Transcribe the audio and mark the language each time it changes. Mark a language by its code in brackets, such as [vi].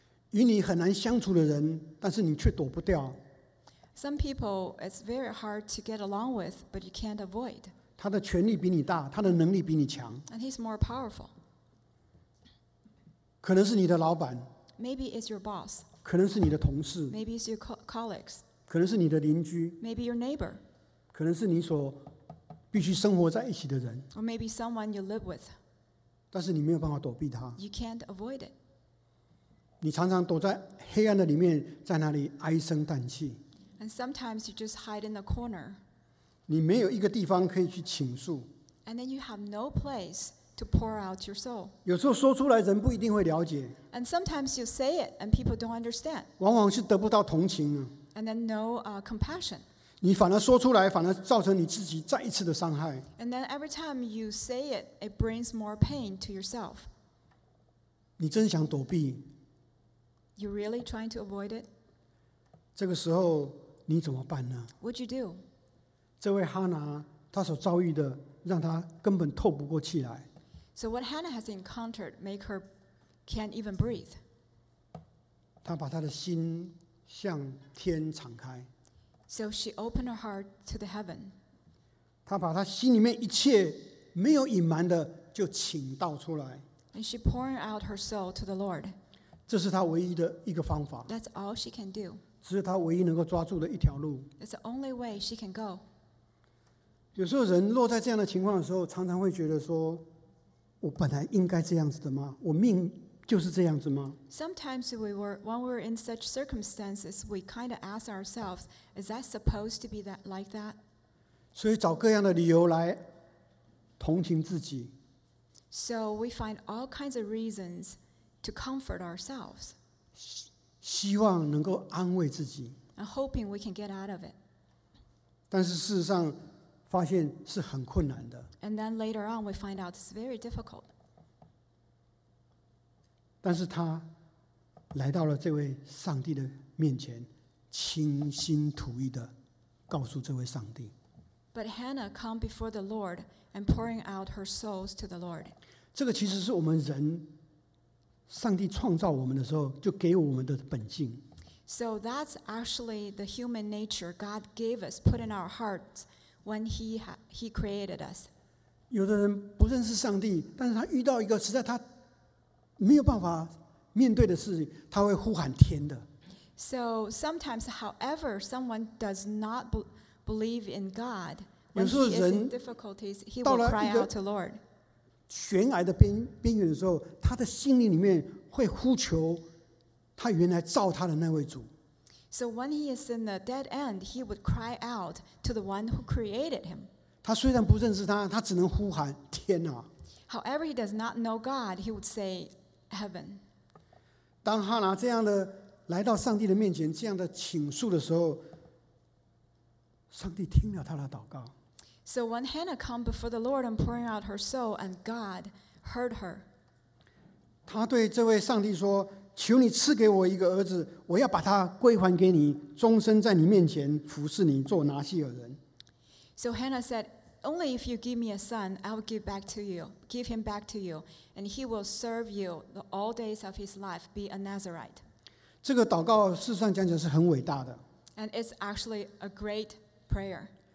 [zh] 与你很难相处的人，但是你却躲不掉。 [en] Some people it's very hard to get along with, but you can't avoid. [zh] 他的权力比你大，他的能力比你强。 [en] And he's more powerful. [zh] 可能是你的老板。 [en] Maybe it's your boss. [zh] 可能是你的同事。 [en] Maybe it's your colleagues. [zh] 可能是你的邻居。 [en] Maybe your neighbor. [zh] 可能是你所必须生活在一起的人。 [en] Or maybe someone you live with. [zh] 但是你没有办法躲避他。 [en] You can't avoid it. [zh] 你常常躲在黑暗的里面，在那里唉声叹气。 [en] And sometimes you just hide in the corner. [zh] 你没有一个地方可以去倾诉。 [en] And then you have no place. To pour out your soul. [zh] 有时候说出来，人不一定会了解。 [en] And sometimes you say it, and people don't understand. [zh] 往往是得不到同情啊。 [en] And then no compassion. [zh] 你反而说出来，反而造成你自己再一次的伤害。 [en] And then every time you say it, it brings more pain to yourself. [zh] 你真想躲避。 [en] You really trying to avoid it? [zh] 这个时候你怎么办呢 [en] ？What you do? [zh] 这位哈拿，他所遭遇的，让他根本透不过气来。 [en] So what Hannah has encountered make her can't even breathe. [zh] 她把她的心向天敞开。 [en] So she opened her heart to the heaven. [zh] 她把她心里面一切没有隐瞒的就倾倒出来。 [en] And she poured out her soul to the Lord. [zh] 这是她唯一的一个方法。 [en] That's all she can do. [zh] 只是她唯一能够抓住的一条路。 [en] It's the only way she can go. [zh] 有时候人落在这样的情况的时候，常常会觉得说。我本来应该这样子的吗？我命就是这样子吗 [en] ？Sometimes when we're in such circumstances, we kind of ask ourselves, "Is that supposed to be that like that?" [zh] 所以找各样的理由来同情自己。 [en] So we find all kinds of reasons to comfort ourselves. [zh] 希望能够安慰自己。 [en] And hoping we can get out of it. [zh] 但是事实上。发现是很困难的。 [en] And then later on, we find out it's very difficult. [zh] 但是他来到了这位上帝的面前，倾心吐意的告诉这位上帝。 [en] But Hannah come before the Lord and pouring out her souls to the Lord. [zh] 这个其实是我们人，上帝创造我们的时候就给我们的本性。 [en] So that's actually the human nature God gave us, put in our hearts. When he created us. [zh] 有的人不认识上帝，但是他遇到一个实在他没有办法面对的事情，他会呼喊天的。 [en] So sometimes, however, someone does not believe in God. When he is in difficulties, he will cry out to Lord. [zh] 悬崖的边缘的时候，他的心灵里面会呼求他原来造他的那位主。 [en] So when he is in the dead end, he would cry out to the one who created him. [zh] 他虽然不认识他，他只能呼喊天啊。 [en] However, he does not know God, he would say heaven. [zh] 当哈拿这样的来到上帝的面前这样的倾诉的时候，上帝听了他的祷告。 [en] So when Hannah come before the Lord and pouring out her soul, and God heard her. [zh] 他对这位上帝说，求你赐给我一个儿子，我要把他归还给你，终身在你面前服侍你，做拿细耳人。 [en] So Hannah said, only if you give me a son, I will give back to you, give him back to you, and he will serve you the all days of his life, be a Nazarite. [zh] 这个祷告事实上讲起来是很伟大的。 [en] And it's actually a great prayer.